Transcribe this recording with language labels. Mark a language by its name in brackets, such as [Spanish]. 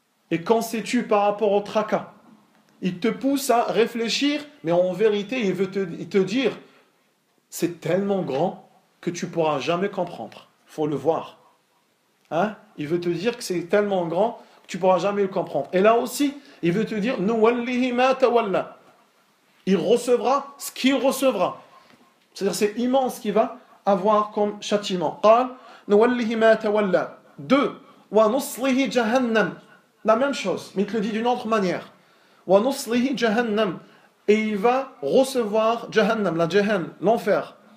[French] Et qu'en sais-tu par rapport au tracas? Il te pousse à réfléchir, mais en vérité, il te dit, c'est tellement grand que tu ne pourras jamais comprendre. Il faut le voir. Hein? Il veut te dire que c'est tellement grand que tu ne pourras jamais le comprendre. Et là aussi, il veut te dire, [Arabic] نُوَلِّهِ مَا تَوَلَّ. [French] Il recevra ce qu'il recevra. C'est-à-dire, c'est immense ce qu'il va avoir comme châtiment. [Arabic] قال, نُوَلِّهِ مَا تَوَلَّ. Deux, وَنُصْلِهِ جَهَنَّمْ. [French] La même chose, mais il te le dit d'une autre manière. [Arabic] وَنُصْلِهِ جَهَنَّمْ. [French] Et il va recevoir جَهَنَّمْ, la جَهَنْ, l'enfer.